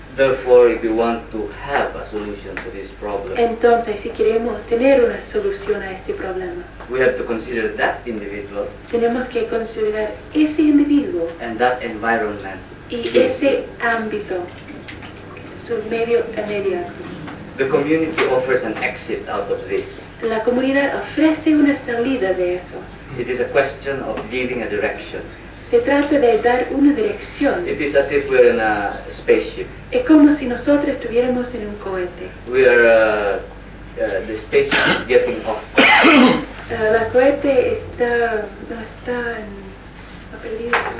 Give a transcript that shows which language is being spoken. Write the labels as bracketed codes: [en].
[en] Therefore, if you want to have a solution to this problem. [es] Entonces, si queremos tener una solución a este problema. [en] We have to consider that individual. [es] Tenemos que considerar ese individuo. [en] And that environment. [es] Y ese ámbito. Su medio inmediato. [en] The community offers an exit out of this. [es] La comunidad ofrece una salida de eso. [en] It is a question of giving a direction. [es] Se trata de dar una dirección. [en] It is as if we're in a spaceship. [es] Es como si nosotros estuviéramos en un cohete. [en] We are the spaceship is getting off. [es] La cohete está no está en ha perdido